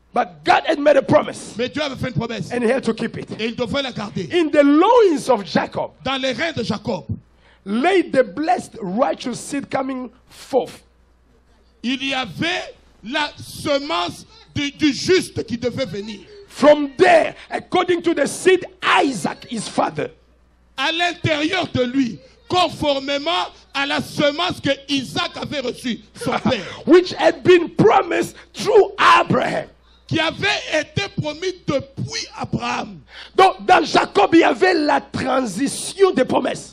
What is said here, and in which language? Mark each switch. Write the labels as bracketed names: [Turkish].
[English] But God had made a promise. [French] Mais Dieu avait fait une promesse. [English] And he had to keep it. [French] Et il devait la garder. [English] In the loins of Jacob. [French] Dans les reins de Jacob. [English] Lay the blessed righteous seed coming forth. [French] Il y avait la semence du juste qui devait venir. [English] From there, according to the seed Isaac, his father. [French] à l'intérieur de lui, conformément à la semence que Isaac avait reçue, son père. [English] Which had been promised through Abraham. [French] Qui avait été promis depuis Abraham. Donc, dans Jacob, il y avait la transition des promesses.